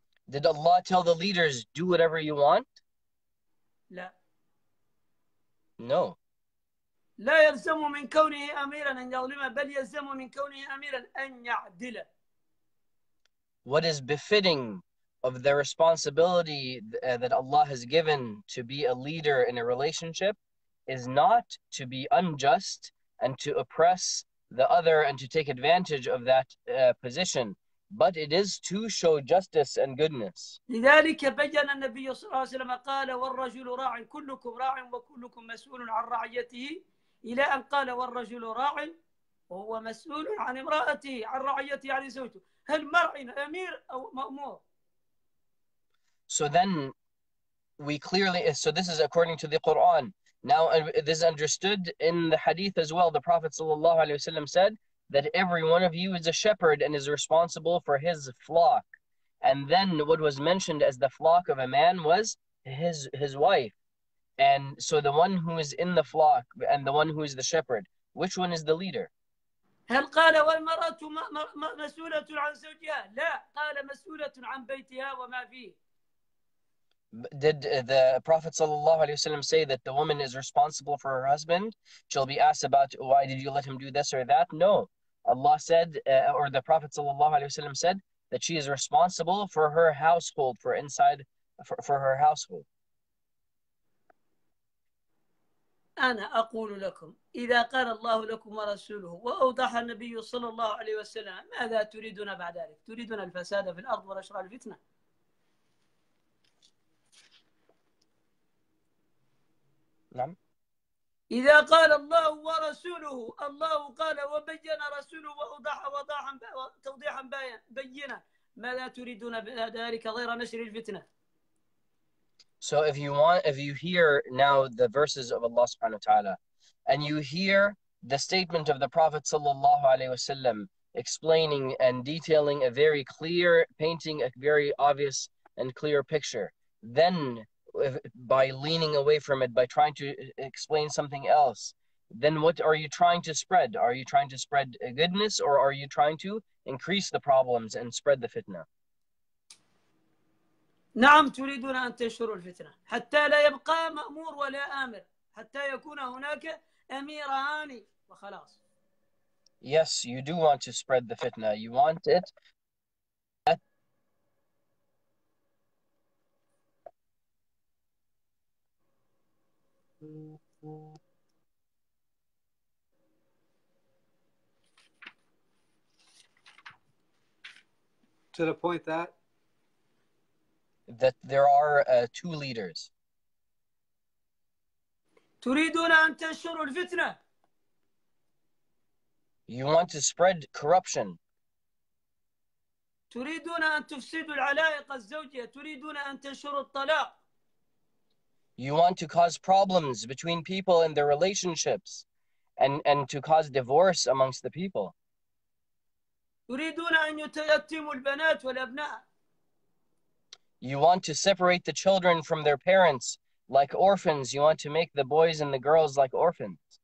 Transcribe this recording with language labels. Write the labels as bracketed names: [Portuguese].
[English] Did Allah tell the leaders, do whatever you want? No. [Arabic] لا يلزم من كونه أميراً أن يظلم بل يلزم من كونه أميراً أن يعدل. [English] What is befitting of the responsibility that Allah has given to be a leader in a relationship is not to be unjust and to oppress the other and to take advantage of that position, but it is to show justice and goodness. [Arabic] لذلك بيّن النبي صلى الله عليه وسلم قال والرجل راع كلكم راع وكلكم مسؤول عن رعيته إلى أن قال والرجل راع وهو مسؤول عن امرأته عن رعيته عن زوجته هل مرع أمير أو مأمور. [English] So then we clearly, so this is according to the Quran. Now this is understood in the hadith as well. The Prophet ﷺ said that every one of you is a shepherd and is responsible for his flock. And then what was mentioned as the flock of a man was his wife. And so the one who is in the flock and the one who is the shepherd, which one is the leader? [Arabic] هل قال والمرأة مسؤولة عن زوجها؟ لا قال مسؤولة عن بيتها وما فيه. [English] Did the Prophet sallallahu alaihi wasallam say that the woman is responsible for her husband? She'll be asked about why did you let him do this or that? No, Allah said, or the Prophet sallallahu alaihi wasallam said that she is responsible for her household, for inside, for her household. [Arabic] أنا أقول لكم إذا قال الله لكم ورسوله وأوضح النبي صلى الله عليه وسلم ماذا تريدون بعد ذلك؟ تريدون الفساد في الأرض ونشر الفتنة؟ نعم. إذا قال الله ورسوله الله قال وبين رسوله وأوضح وضاحا توضيحا بينا ماذا تريدون بعد ذلك غير نشر الفتنة؟ [English] So if you want, if you hear now the verses of Allah subhanahu wa ta'ala, and you hear the statement of the Prophet sallallahu alaihi wasallam explaining and detailing a very clear, painting a very obvious and clear picture, then if, by leaning away from it, by trying to explain something else, then what are you trying to spread? Are you trying to spread goodness or are you trying to increase the problems and spread the fitna? [Arabic] نعم تريدون أن تنشروا الفتنة حتى لا يبقى مأمور ولا آمر حتى يكون هناك أميران وخلاص. [English] Yes, you do want to spread the fitna. You want it. To the point that there are two leaders. [Arabic] تريدون أن تنشروا الفتنة. [English] You want to spread corruption. [Arabic] تريدون أن تفسدوا العلاقة الزوجية. تريدون أن تنشروا الطلاق. [English] You want to cause problems between people in their relationships, and to cause divorce amongst the people. [Arabic] تريدون أن يتيتموا البنات والأبناء. [English] You want to separate the children from their parents like orphans. You want to make the boys and the girls like orphans.